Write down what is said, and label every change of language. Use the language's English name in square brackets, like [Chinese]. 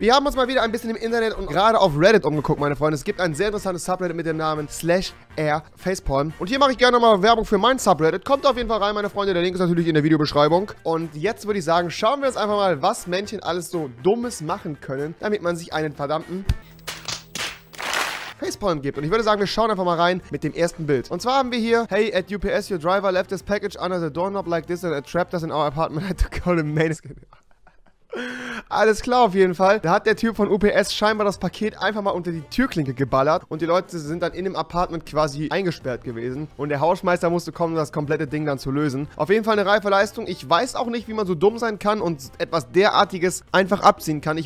[German] Wir haben uns mal wieder ein bisschen im Internet und gerade auf Reddit umgeguckt, meine Freunde. Es gibt ein sehr interessantes Subreddit mit dem Namen /rfacepalm. Und hier mache ich gerne nochmal Werbung für mein Subreddit. Kommt auf jeden Fall rein, meine Freunde. Der Link ist natürlich in der Videobeschreibung. Und jetzt würde ich sagen, schauen wir uns einfach mal, was Männchen alles so Dummes machen können, damit man sich einen verdammten Facepalm gibt. Und ich würde sagen, wir schauen einfach mal rein mit dem ersten Bild. Und zwar haben wir hier: [English] Hey, at UPS, your driver left his package under the doorknob like this and trapped us in our apartment. I had to call him Manscaped. [German] Alles klar, auf jeden Fall. Da hat der Typ von UPS scheinbar das Paket einfach mal unter die Türklinke geballert und die Leute sind dann in dem Apartment quasi eingesperrt gewesen und der Hausmeister musste kommen, um das komplette Ding dann zu lösen. Auf jeden Fall eine reife Leistung. Ich weiß auch nicht, wie man so dumm sein kann und etwas derartiges einfach abziehen kann.